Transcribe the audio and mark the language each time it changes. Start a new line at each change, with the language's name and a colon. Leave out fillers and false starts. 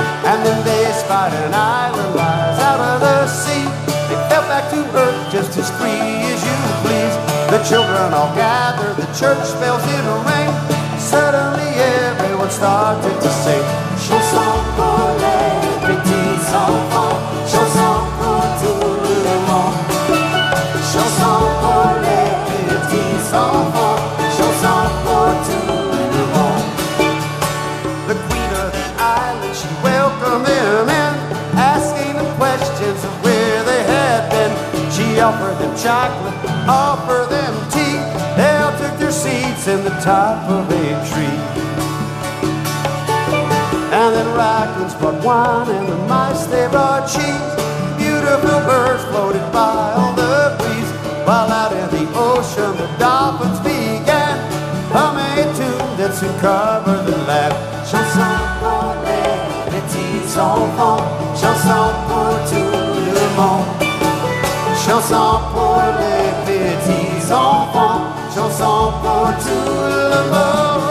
English: And then they spied an island rise out of the sea. They fell back to Earth just as free as you please. The children all gathered, the church bells in a ring. Suddenly everyone started to sing.
French: Chanson pour les petits enfants, chanson pour tout le monde. Chanson pour les petits enfants, chanson pour tout le monde.
English: The queen of the island, she welcomed them in, asking them questions of where they had been. She offered them chocolate, offered them tea. They all took their seats in the top of a tree. And then raccoons brought wine, and the mice they brought cheese. Beautiful birds floated by on the breeze. While out in the ocean the dolphins began humming a tune that soon covered the land.
French: Chanson pour les petits enfants, chanson pour tout le monde. Chanson pour les petits enfants, chanson pour tout le monde.